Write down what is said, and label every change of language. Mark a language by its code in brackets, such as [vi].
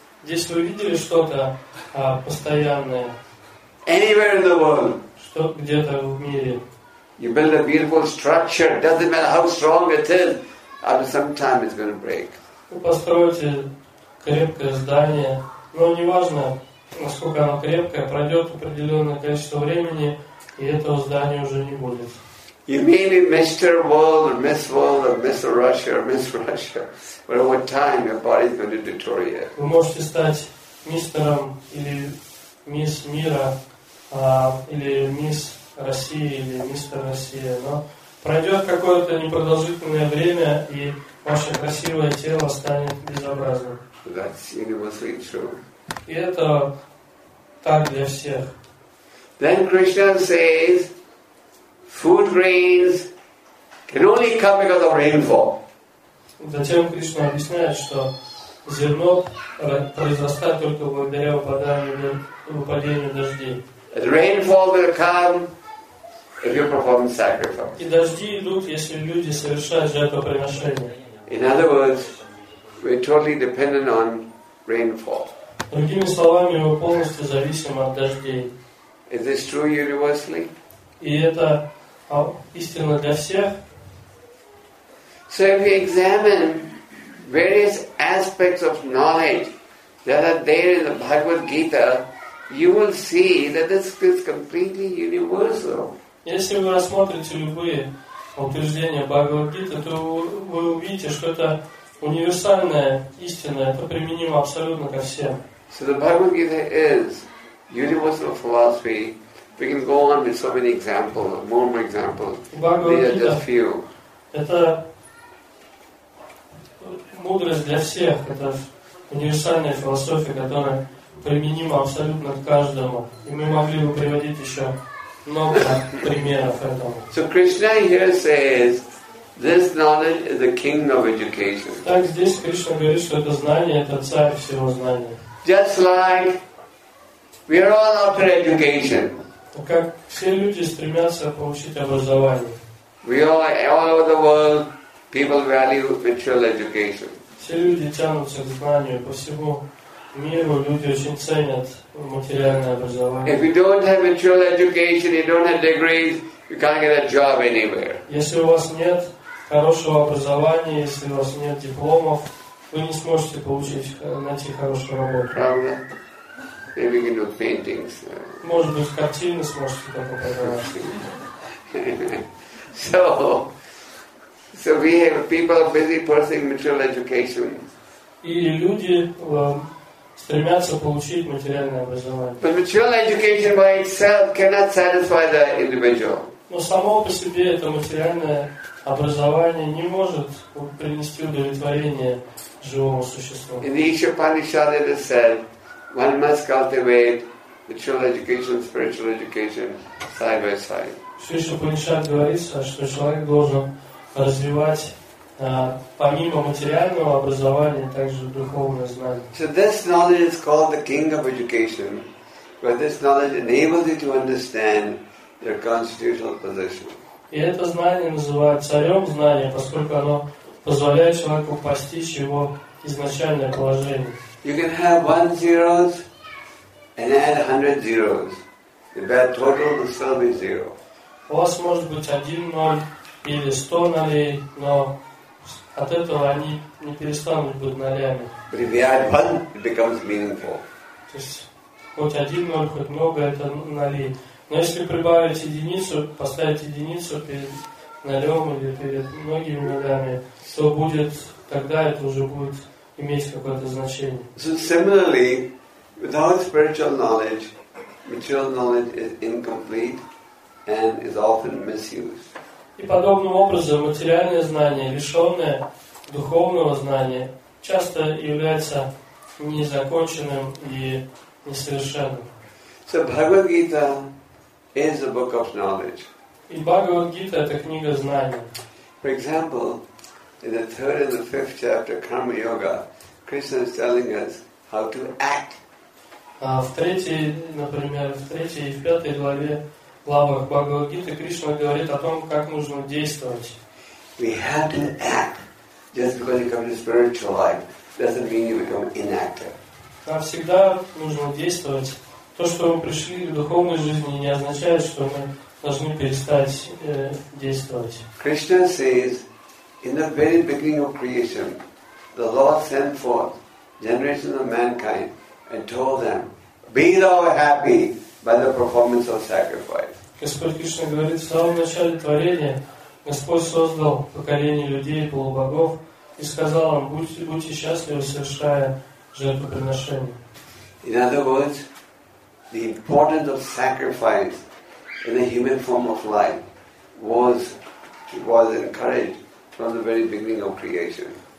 [ru] Здесь вы видели что-то постоянное? [en] Anywhere in the world. [ru] Что где-то в мире? [en] You build a beautiful structure. Doesn't matter how strong it is. After some time, it's going to break. [ru] Вы построите крепкое здание, но не важно, насколько оно крепкое, пройдет определенное количество времени, и этого здания уже не будет. [en] You may be Mr. World or Miss World or Mr. Russia or Miss Russia, but over time your body is going to deteriorate. [ru] Вы можете стать мистером или мисс мира, или мисс России или мистер Россия, но пройдет какое-то непродолжительное время, и ваше красивое тело станет безобразным. [en] That's universally true. [ru] И это так для всех. [en] Then Krishna says, food grains can only come because of rainfall. [ru] Затем Кришна объясняет, что зерно произрастает только благодаря выпадению дождей. [en] And rainfall will come if you perform sacrifice. [ru] И дожди идут, если люди совершают жертвоприношение. [en] In other words, we're totally dependent on rainfall. [ru] Другими словами, мы полностью зависим от дождей. [en] Is this true universally? [ru] И это истина для всех. [en] So if we examine various aspects of knowledge that are there in the Bhagavad Gita, you will see that this is completely universal. [ru] Если вы рассмотрите любые утверждения Бхагавад Гиты, то вы увидите, что это универсальная истина, это применимо абсолютно ко всем. [en] So the Bhagavad Gita is universal philosophy. We can go on with so many examples, more and more examples. Bhagavad Gita, just few. [ru] Это мудрость для всех. Это универсальная философия, которая применима абсолютно к каждому. И мы могли бы приводить еще много примеров этому. [en] So Krishna here says, this knowledge is the king of education. [ru] Так здесь Кришна говорит, что это знание, это царь всего знания. [en] Just like we are all after education. [ru] Как все люди стремятся получить образование. [en] We all over the world, people value material education. [ru] Все люди тянутся к знанию. По всему миру люди очень ценят материальное образование. [en] If you don't have material education, you don't have degrees, you can't get a job anywhere. [ru] Если у вас нет хорошего образования, если у вас нет дипломов, вы не сможете найти хорошую работу. Правда? [en] Maybe you can do paintings. [ru] Может быть, картины сможете так показать. [en] So we have people busy pursuing material education. [ru] И люди стремятся получить материальное образование. [en] But material education by itself cannot satisfy the individual. [ru] Но само по себе это материальное образование не может принести удовлетворение живому существу. [en] In the Isha Upanishad it is said, one must cultivate material education, spiritual education side by side. [ru] Шишу Панишат говорится, что человек должен развивать помимо материального образования также духовное знание. [en] So this knowledge is called the king of education, where this knowledge enables you to understand your constitutional position. [ru] И это знание называют царем знания, поскольку оно позволяет человеку постичь его изначальное положение. [en] You can have one zero and add 100 zeros. The bad total will still be zero. [ru] У вас может быть один ноль или 100 нолей, но от этого они не перестанут быть нолями. [en] But if you add one, it becomes meaningful. [ru] То есть хоть один ноль, хоть много это нолей. Но если прибавить единицу, поставить единицу перед нолем или перед многими нолями, то будет, тогда это уже будет иметь какое-то значение. [en] So similarly, without spiritual knowledge, material knowledge is incomplete and is often misused. [ru] И подобным образом материальное знание, лишенное духовного знания, часто является незаконченным и несовершенным. [en] So Bhagavad-gita is a book of knowledge. [ru] И Бхагавад-гита — это книга знаний. [en] For example, in the third and the fifth chapter, Karma Yoga, Krishna is telling us how to act. [ru] В третьей, например, в третьей и в пятой главе Бхагавад-гита Кришна говорит о том, как нужно действовать. [en] We have to act. Just because you come to spiritual life doesn't mean you become inactive. [ru] Нам всегда нужно действовать. То, что мы пришли к духовной жизни, не означает, что мы должны перестать действовать. [en] Krishna says, in the very beginning of creation, the Lord sent forth generations of mankind and told them, be thou happy by the performance of sacrifice. [ru] Господь Кришна говорит, в самом начале творения Господь создал поколение людей, полубогов, и сказал им, будьте счастливы, совершая жертвоприношение. [en] In other words, the importance of sacrifice in the human form of life was encouraged from the very beginning of creation.